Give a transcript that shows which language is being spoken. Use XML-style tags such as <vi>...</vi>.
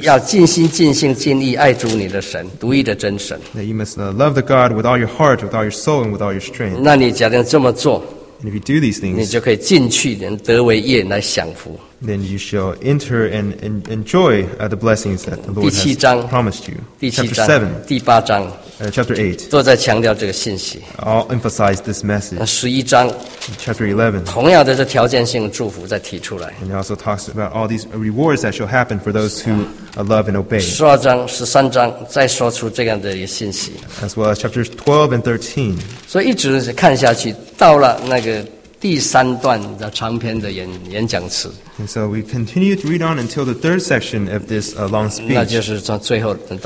<zh>要尽心、尽性、尽意爱主你的神，独一的真神。</zh> <en>That you must love the God with all your heart, with all your soul, and with all your strength.</en> <zh>那你假定这么做。</zh> <en>And if you do these things,</en> <zh>你就可以进去得为业来享福。</zh> <en>Then you shall enter and enjoy the blessings that the Lord</en> <zh>第七章,</zh> <en>has promised you.</en> <zh>第七章,</zh> <en>chapter 7.</en> <zh>第八章,</zh> <en>chapter 8.</en> <zh>都在强调这个信息,</zh> <en>I'll emphasize this message.</en> <zh>11章,</zh> <en>chapter 11.</en> <zh>同样的条件性祝福再提出来,</zh> <en>and it also talks about all these rewards that shall happen for those who love and obey.</en> <zh>12章, 13章,</zh> <en>as well as chapters 12 and 13.</en> <zh>所以一直看下去, 到了那个, 第三段的长篇的演讲词。</zh> <en>And so we continue to read on until the third section of this long speech.</en>